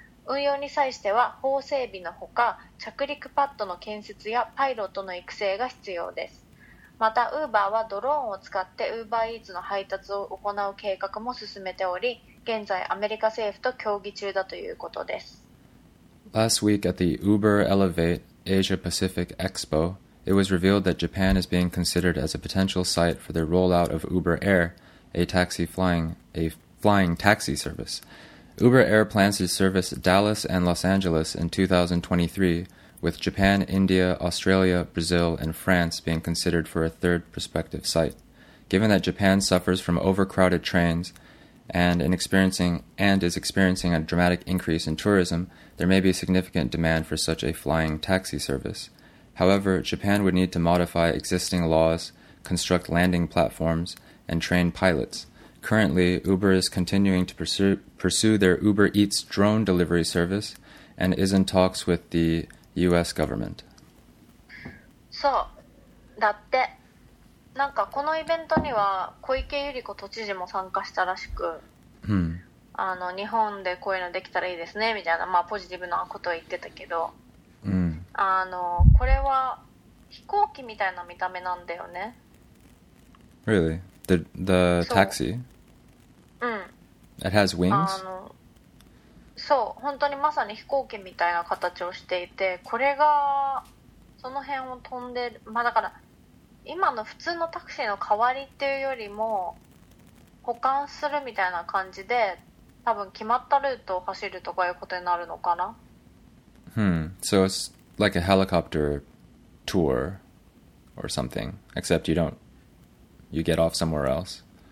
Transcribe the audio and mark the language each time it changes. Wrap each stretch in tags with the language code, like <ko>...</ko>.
<ja>運用に際しては法整備のほか、着陸パッドの建設やパイロットの育成が必要です。またウーバーはドローンを使ってウーバーイーツの配達を行う計画も進めており、現在アメリカ政府と協議中だということです。</ja> <en>Last week at the Uber Elevate Asia Pacific Expo, it was revealed that Japan is being considered as a potential site for the rollout of Uber Air, a flying taxi service. Uber Air plans to service Dallas and Los Angeles in 2023, with Japan, India, Australia, Brazil, and France being considered for a third prospective site. Given that Japan suffers from overcrowded trains, and is experiencing a dramatic increase in tourism, there may be significant demand for such a flying taxi service. However, Japan would need to modify existing laws, construct landing platforms, and train pilots. Currently, Uber is continuing to pursue their Uber Eats drone delivery service and is in talks with the U.S. government. So, that's it.</en> <ja>なんかこのイベントには小池百合子都知事も参加したらしく、あの日本でこういうのできたらいいですねみたいな、まあ、ポジティブなことを言ってたけど、あのこれは飛行機みたいな見た目なんだよね。</ja> <en>Really? The taxi? It has wings? あの</en> <ja>そう、本当にまさに飛行機みたいな形をしていて、これがその辺を飛んでる、まあだから今の普通のタクシーの代わりっていうよりも補完するみたいな感じで、多分決まったルートを走るとかいうことになるのかな。</ja> <en>So it's like a helicopter tour or something, except you get off somewhere else.</en>